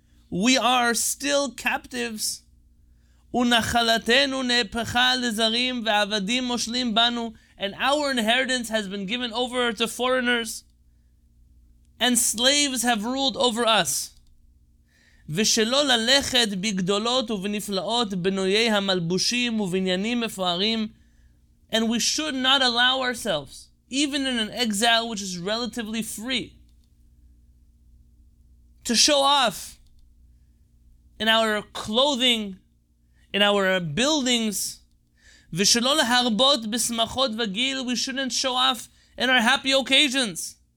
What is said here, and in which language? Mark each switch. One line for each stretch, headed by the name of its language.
English: we are still captives,
Hebrew: ונחלתנו נהפכה לזרים ועבדים מושלים בנו,
English: and our inheritance has been given over to foreigners, and slaves have ruled over us.
Hebrew: ושלא ללכת בגדולות ובנפלאות בנויי המלבושים ובניינים מפוארים,
English: and we should not allow ourselves even in an exile which is relatively free, to show off in our clothing, in our buildings.
Hebrew: V'shelo leharbot b'smachot v'gil,
English: we shouldn't show off in our happy occasions.